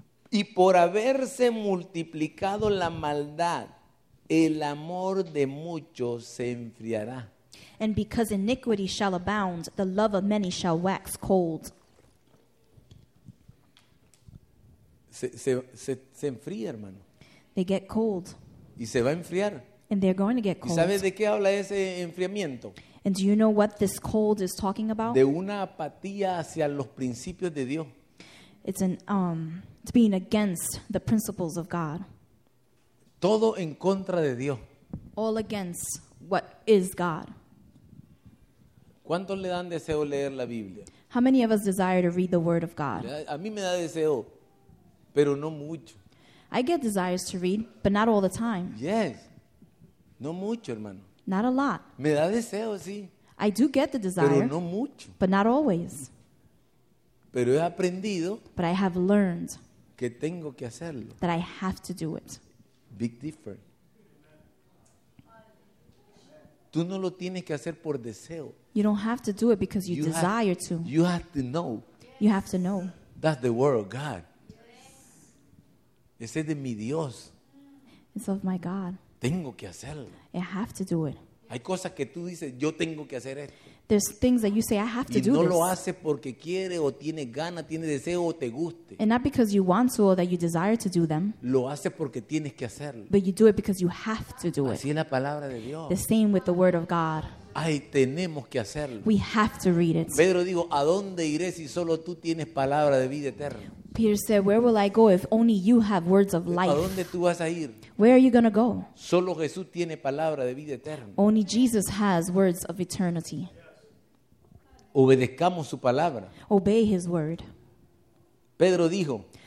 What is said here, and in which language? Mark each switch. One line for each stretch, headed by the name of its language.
Spanish: Y por haberse multiplicado la maldad, el amor de muchos se enfriará.
English: And because iniquity shall abound, the love of many shall wax cold.
Spanish: Se enfría, hermano.
English: They get cold.
Spanish: Y se va a enfriar.
English: And they're going to get cold.
Spanish: ¿Y sabes de qué habla ese enfriamiento?
English: And do you know what this cold is talking about?
Spanish: De una apatía hacia los principios de Dios.
English: It's an it's being against the principles of God.
Spanish: Todo en contra de Dios.
English: All against what is God.
Spanish: ¿Cuántos le dan deseo leer la Biblia?
English: How many of us desire to read the Word of God?
Spanish: A mí me da deseo, pero no mucho.
English: I get desires to read, but not all the time.
Spanish: Yes. No mucho, hermano.
English: Not a lot.
Spanish: Me da deseo, sí.
English: I do get the desire.
Spanish: Pero no mucho.
English: But not always.
Spanish: Pero he aprendido.
English: But I have learned.
Spanish: Que tengo que hacerlo.
English: That I have to do it. Big difference.
Spanish: Tú no lo tienes que hacer por deseo.
English: You don't have to do it because you desire to. You have to know. You have to know. That's the word of God.
Spanish: Ese es de mi Dios.
English: It's of my God.
Spanish: Tengo que hacerlo.
English: I have to do it.
Spanish: Hay cosas que tú dices, yo tengo que hacer esto.
English: There's things that you say, I have to do this.
Spanish: Y no lo haces porque quiere o tiene ganas, tiene deseo o te guste.
English: And not because you want to or that you desire to do them.
Spanish: Lo haces porque tienes que hacerlo.
English: But you do it because you have to do it.
Spanish: Así es la palabra de Dios.
English: The same with the word of God.
Spanish: Ay, tenemos que hacerlo.
English: We have to read it.
Spanish: Pedro dijo, ¿a dónde iré si solo tú tienes palabra de vida eterna?
English: Peter said, where will I go if only you have words of life?
Spanish: ¿A dónde tú vas a ir?
English: Where are you going to go?
Spanish: Solo Jesús tiene palabra de vida eterna.
English: Only Jesus has words of eternity.
Spanish: Obedezcamos su palabra.
English: Obey his word.
Spanish: Pedro dijo,